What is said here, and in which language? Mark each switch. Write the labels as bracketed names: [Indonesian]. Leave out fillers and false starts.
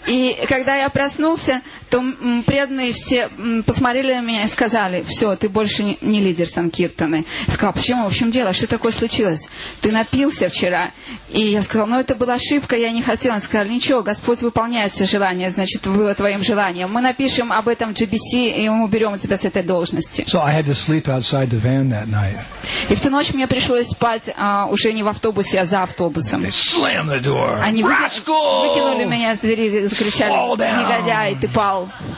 [Russian] И когда я проснулся, то преданные все посмотрели на меня и сказали, все, ты больше не лидер Санкиртаны. Я сказала, почему, в общем дело, что такое случилось? Ты напился вчера. И я сказала, ну это была ошибка, я не хотела. Они сказали, ничего, Господь выполняет все желания, значит, было твоим желанием. Мы напишем об этом GBC, и мы уберем тебя с этой должности. [English] So I had to sleep outside the van that night. [Russian] И в ту ночь мне пришлось спать уже не в автобусе, а за автобусом. [English] They slammed the door. [Russian] Они выкинули меня с двери, закричали, негодяй, ты пал.